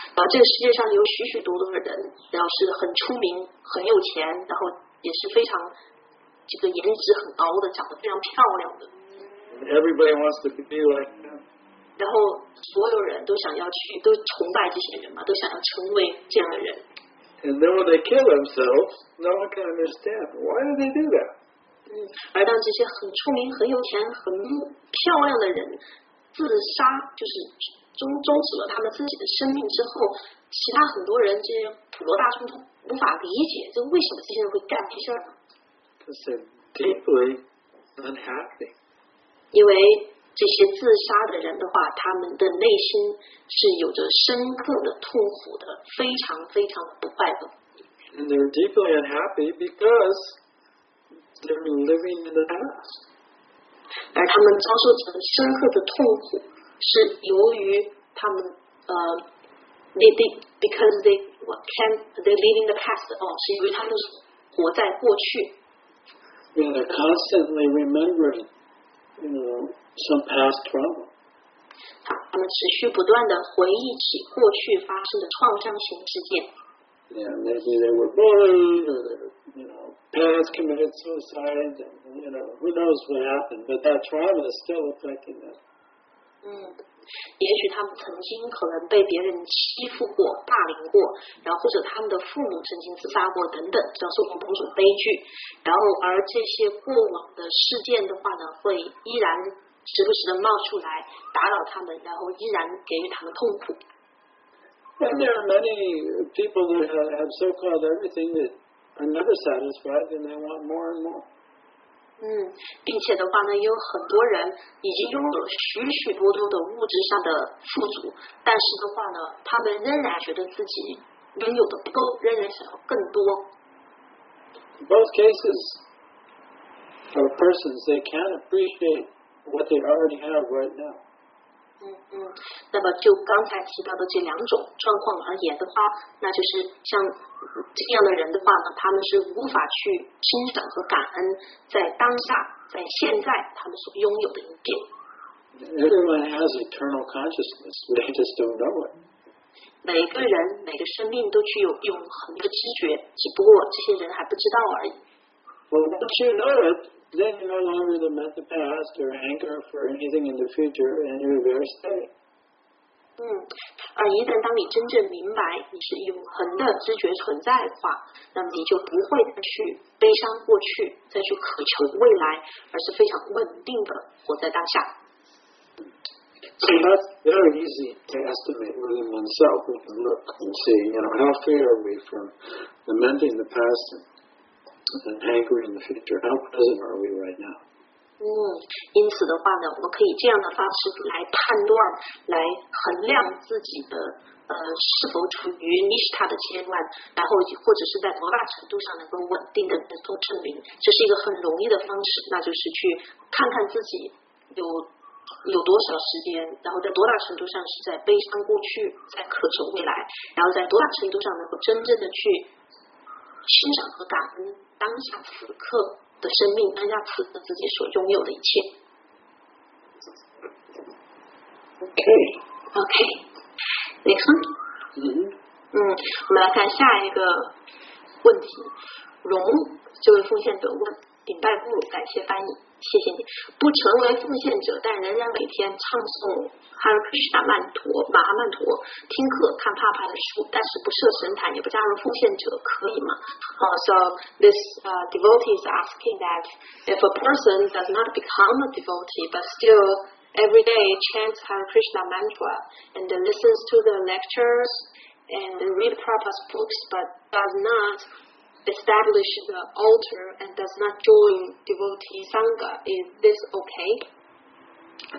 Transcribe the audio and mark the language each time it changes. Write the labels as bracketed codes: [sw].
[zh] 这个世界上有许许多多的人，然后是很出名，很有钱，然后也是非常这个颜值很高的，长得非常漂亮的。 [en] Everybody wants to be like them. [zh] 然后所有人都想要去，都崇拜这些人嘛，都想要成为这样的人。 [en] And then when they kill themselves, no one can understand why do they do that. [zh] 而当这些很出名、很有钱、很漂亮的人自杀，就是终止了他们自己的生命之后，其他很多人这些普罗大众都无法理解，就为什么这些人会干这事儿。 [en] It's a deeply unhappy. [zh] 因为这些自杀的人的话，他们的内心是有着深刻的痛苦的，非常非常的不快乐。 [en] And they're deeply unhappy because they're living in the past. [zh] 而他们遭受着深刻的痛苦，是由于他们 [en] they're living in the past. [zh] 哦，是因为他们活在过去。 [en] Yeah, they're constantly remembering, you know, some past trauma. [zh] 他们持续不断地回忆起过去发生的创伤性事件。 [en] Yeah, maybe they were bullied, or parents committed suicide, and who knows what happened, but that trauma is still affecting them. [zh] 嗯，也许他们曾经可能被别人欺负过、霸凌过，然后或者他们的父母曾经自杀过等等，遭受过某种悲剧，然后而这些过往的事件的话呢，会依然时不时的冒出来打扰他们，然后依然给予他们痛苦。 [en] And there are many people that have so-called everything that are never satisfied, and they want more and more. [zh] 嗯，并且的话呢，有很多人已经拥有了许许多多的物质上的富足，但是的话呢，他们仍然觉得自己拥有的不够，仍然想要更多。 [en] Both cases are persons they can't appreciate what they already have right now. [zh] 嗯，那么就刚才提到的这两种状况而言的话，那就是像这样的人的话呢，他们是无法去欣赏和感恩在当下、在现在他们所拥有的一切。 [en] Everyone has eternal consciousness, we just don't know it. [zh] 每个人、每个生命都具有永恒的知觉，只不过这些人还不知道而已。 [en] Well, once you know it, then you no longer lament the past or anger for anything in the future, and you're there staying. [zh] 嗯，而一旦当你真正明白你是永恒的知觉存在的话，那么你就不会再去悲伤过去，再去渴求未来，而是非常稳定的活在当下。 [en] So that's very easy to estimate within oneself. We can look and see, how free are we from lamenting the past and angry in the future? How present are we right now? [zh] 嗯，因此的话呢，我们可以这样的方式来判断、来衡量自己的是否处于 nishtha 的阶段，然后或者是在多大程度上能够稳定的做证明，这是一个很容易的方式，那就是去看看自己有多少时间，然后在多大程度上是在悲伤过去，在渴求未来，然后在多大程度上能够真正的去欣赏和感恩当下此刻的生命，当下此刻自己所拥有的一切。 [en] OK，next one。 [zh] 嗯，我们来看下一个问题。荣，这位奉献者问：顶拜布鲁，感谢翻译，谢谢你。不成为奉献者，但仍然每天唱诵哈尔克什纳曼陀、马哈曼陀，听课、看帕帕的书，但是不设神坛，也不加入奉献者，可以吗？ [en] So this devotee is asking that if a person does not become a devotee but still every day chants Hare Krishna mantra and listens to the lectures and read Prabhupada's books but does not establish the altar and does not join devotee Sangha, is this okay?